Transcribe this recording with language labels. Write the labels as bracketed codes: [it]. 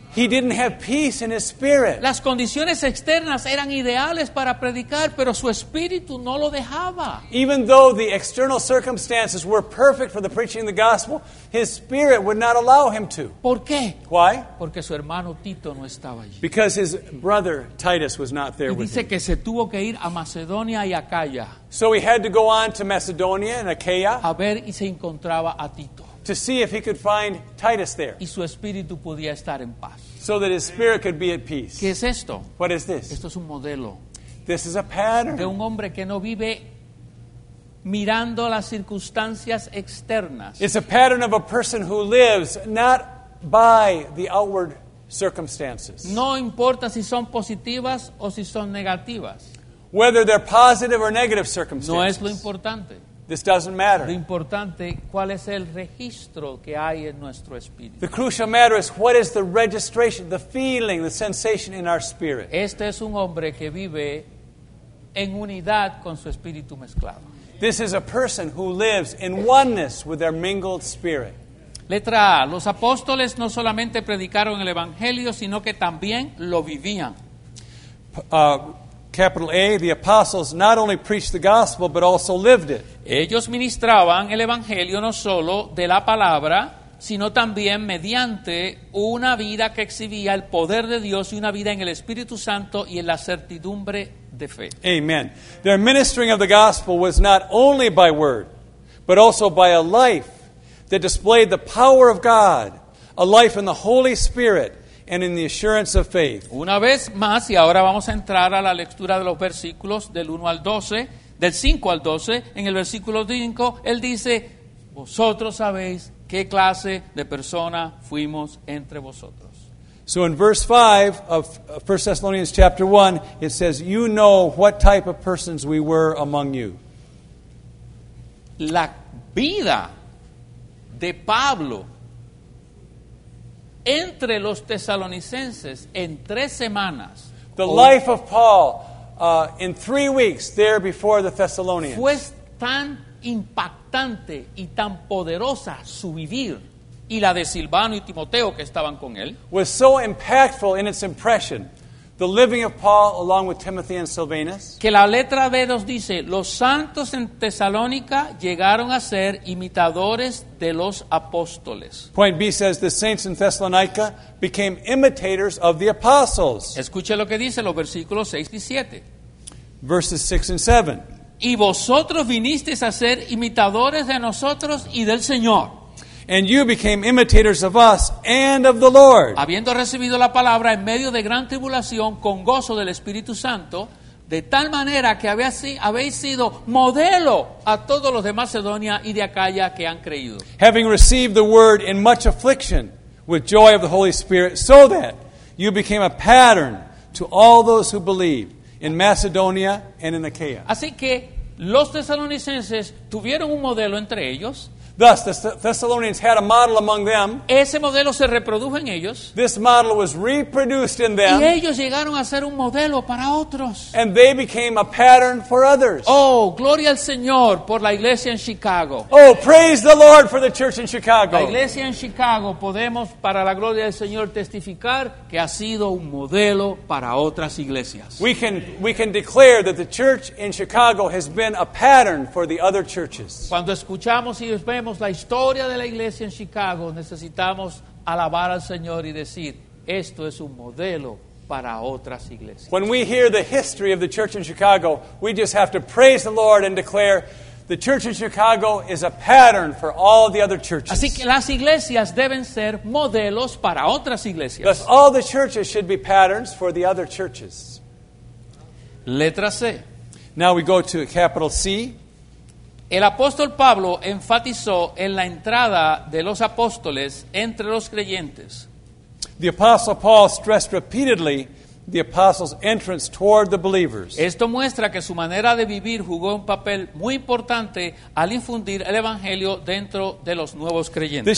[en] He didn't have peace in his spirit. [es] Las condiciones externas eran ideales para predicar, pero su espíritu no lo dejaba. [en] Even though the external circumstances were perfect for the preaching of the gospel, his spirit would not allow him to. [es] ¿Por qué? [en] Why? [es] Porque su hermano Tito no estaba allí. [en] Because his brother Titus was not there with him. [es] Y dice que se tuvo que ir a Macedonia y a Acaya. [en] So he had to go on to Macedonia and Achaia. [es] A ver y se encontraba a Tito. [en] To see if he could find Titus there. [es] Y su espíritu podía estar en paz. [en] So that his spirit could be at peace. [es] ¿Qué es esto? [en] What is this? [es] Esto es un modelo. [en] This is a pattern. [es] De un hombre que no vive mirando las circunstancias externas. [en] It's a pattern of a person who lives not by the outward circumstances. [es] No importa si son positivas o si son negativas. [en] Whether they're positive or negative circumstances. [es] No es lo importante. [en] This doesn't matter. [es] Lo importante, ¿cuál es el registro que hay en nuestro espíritu? [en] The crucial matter is what is the registration, the feeling, the sensation in our spirit. [es] Este es un hombre que vive en unidad con su espíritu mezclado. [en] This is a person who lives in oneness with their mingled spirit. [es] Letra A. Los apóstoles no solamente predicaron el evangelio, sino que también lo vivían. [en] Capital A, the apostles not only preached the gospel, but also lived it. [es] Ellos ministraban el evangelio no solo de la palabra, sino también mediante una vida que exhibía el poder de Dios y una vida en el Espíritu Santo y en la certidumbre de fe. [en] Amen. Their ministering of the gospel was not only by word, but also by a life that displayed the power of God, a life in the Holy Spirit, and in the assurance of faith. [es] Una vez más, y ahora vamos a entrar a la lectura de los versículos del 1 al 12, del 5 al 12, en el versículo 5, él dice, vosotros sabéis qué clase de persona fuimos entre vosotros. [en] So in verse 5 of 1 Thessalonians chapter 1, it says, you know what type of persons we were among you. [es] La vida de Pablo entre los tesalonicenses en tres semanas. [en] The life of Paul in 3 weeks there before the Thessalonians. [es] Fue tan impactante y tan poderosa su vivir y la de Silvano y Timoteo que estaban con él. [en] Was so impactful in its impression. The living of Paul along with Timothy and Silvanus. [es] Que la letra B nos dice, los santos en Tesalónica llegaron a ser imitadores de los apóstoles. [en] Point B says, the saints in Thessalonica became imitators of the apostles. [es] Escuche lo que dice los versículos 6 y 7. [en] Verses 6 and 7. [es] Y vosotros vinisteis a ser imitadores de nosotros y del Señor. [en] And you became imitators of us and of the Lord. [es] Habiendo recibido la palabra en medio de gran tribulación con gozo del Espíritu Santo, de tal manera que habéis sido modelo a todos los de Macedonia y de Acaya que han creído. [en] Having received the word in much affliction with joy of the Holy Spirit, so that you became a pattern to all those who believe in Macedonia and in Achaia. [es] Así que los tesalonicenses tuvieron un modelo entre ellos. [en] Thus, the Thessalonians had a model among them. [es] Ese modelo se reprodujo en ellos. [en] This model was reproduced in them. [es] Y ellos llegaron a ser un modelo para otros. [en] And they became a pattern for others. [es] Oh, gloria al Señor por la iglesia en Chicago. [en] Oh, praise the Lord for the church in Chicago. [es] La iglesia en Chicago podemos, para la gloria del Señor, testificar que ha sido un modelo para otras iglesias. [en] We can declare that the church in Chicago has been a pattern for the other churches. [es] Cuando escuchamos y vemos la historia de la iglesia en Chicago, necesitamos alabar al Señor y decir, esto es un modelo para otras iglesias. [en] When we hear the history of the church in Chicago, we just have to praise the Lord and declare, the church in Chicago is a pattern for all the other churches. [es] Así que las iglesias deben ser modelos para otras iglesias. [en] Thus, all the churches should be patterns for the other churches. [es] Letra C. [en] Now we go to capital C. [es] El apóstol Pablo enfatizó en la entrada de los apóstoles entre los creyentes. The apostle Paul stressed repeatedly the apostles' entrance toward the believers. Esto muestra que su manera de vivir jugó un papel muy importante al infundir el evangelio dentro de los nuevos creyentes.